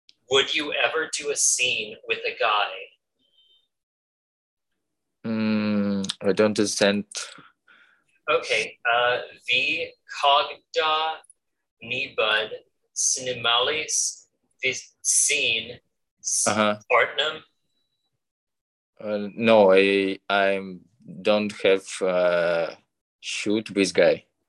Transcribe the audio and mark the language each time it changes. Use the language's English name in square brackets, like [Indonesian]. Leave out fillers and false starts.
[English] Would you ever do a scene with a guy? I don't understand. [Russian] Okay, vi когда нибудь снимались в сцене с партнером? [English] No, I don't have a shoot with guy.